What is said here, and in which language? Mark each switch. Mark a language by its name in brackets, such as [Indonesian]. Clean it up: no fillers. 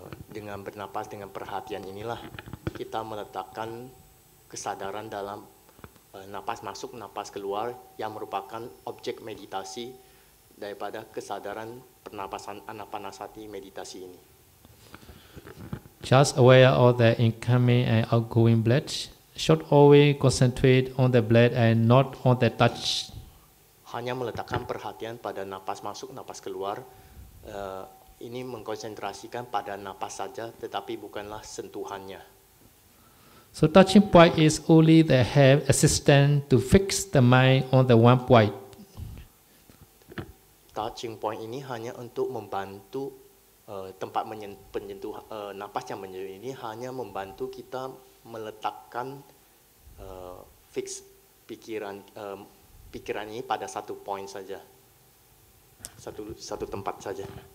[Indonesian] Dengan bernapas, dengan perhatian inilah kita meletakkan kesadaran dalam napas masuk, napas keluar, yang merupakan objek meditasi daripada kesadaran pernapasan anapanasati meditasi ini. [English] Just aware of the incoming and outgoing breath. Should always concentrate on the breath and not on the touch. [Indonesian] Hanya meletakkan perhatian pada napas masuk, napas keluar. Ini mengkonsentrasikan pada napas saja, tetapi bukanlah sentuhannya. [English] So touching point is only the help assistant to fix the mind on the one point. Touching point [Indonesian] ini hanya untuk membantu tempat penyentuh napas yang menyentuh ini hanya membantu kita meletakkan fix pikiran pikiran ini pada satu point saja. Satu tempat saja.